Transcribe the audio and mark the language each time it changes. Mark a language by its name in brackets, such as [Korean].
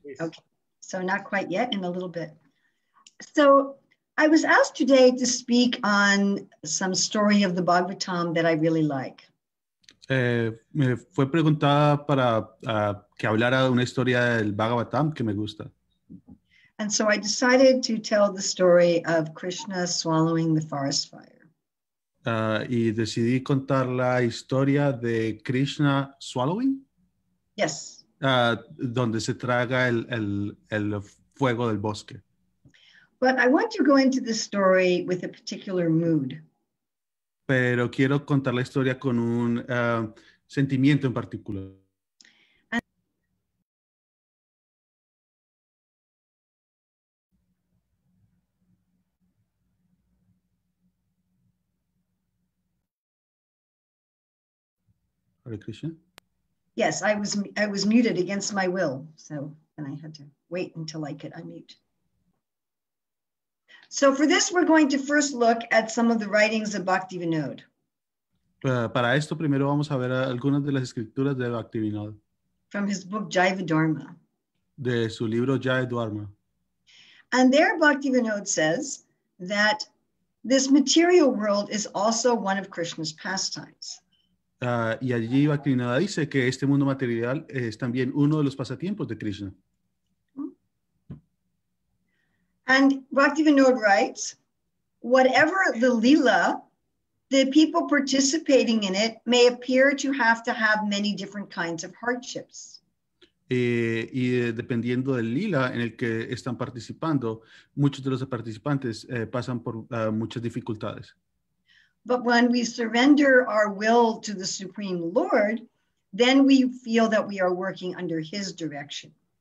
[English] Okay, so not quite yet, in a little bit. So I was asked today to speak on some story of the Bhagavatam that I really like. [Spanish] Me fue preguntada para que hablara de una historia del Bhagavatam que me gusta. [English] And so I decided to tell the story of Krishna swallowing the forest fire. [Spanish] Y decidí contar la historia de Krishna [English] swallowing. Yes. [Spanish] Donde se traga el fuego del bosque. [English] But I want to go into the story with a particular mood. [Spanish] Pero quiero contar la historia con un sentimiento en particular. [Sanskrit] Hare Krishna. [English] Yes, I was muted against my will, so and I had to wait until I could unmute. So for this, we're going to first look at some of the writings of Bhaktivinoda. [Spanish] Para esto, primero vamos a ver algunas de las escrituras de Bhaktivinoda. [English] From his book, Jiva Dharma. [Spanish] De su libro, Jiva Dharma. [English] And there, Bhaktivinoda says that This material world is also one of Krishna's pastimes. [Spanish] Y allí Bhaktivinoda dice que este mundo material es también uno de los pasatiempos de Krishna. [English] And Bhaktivinoda writes, whatever the lila, the people participating in it may appear to have many different kinds of hardships. [Spanish] Y dependiendo del lila en el que están participando, muchos de los participantes pasan por muchas dificultades. [English] But when we surrender our will to the Supreme Lord, then we feel that we are working under His direction.